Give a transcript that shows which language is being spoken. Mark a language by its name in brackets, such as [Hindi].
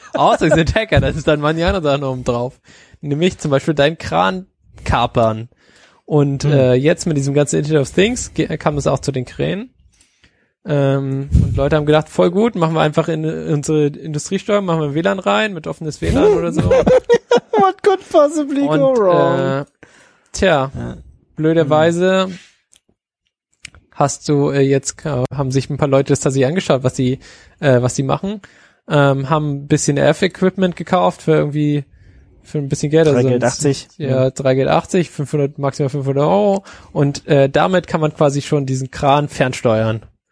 [German] Außer sie sind Hacker, das ist dann mal die andere Sache oben drauf. Nämlich zum Beispiel deinen Kran kapern. Und jetzt mit diesem ganzen Internet of Things kam es auch zu den Kränen. Und Leute haben gedacht, voll gut, machen wir einfach in unsere Industriesteuer, machen wir WLAN rein mit offenes WLAN oder so. [English] What could possibly go wrong? [German] Blöderweise haben sich ein paar Leute das tatsächlich angeschaut, was sie machen. Haben ein bisschen F-Equipment gekauft für ein bisschen Geld. 3 Geld 80. Ja, 3 Geld 80, maximal 500 Euro. Und damit kann man quasi schon diesen Kran fernsteuern.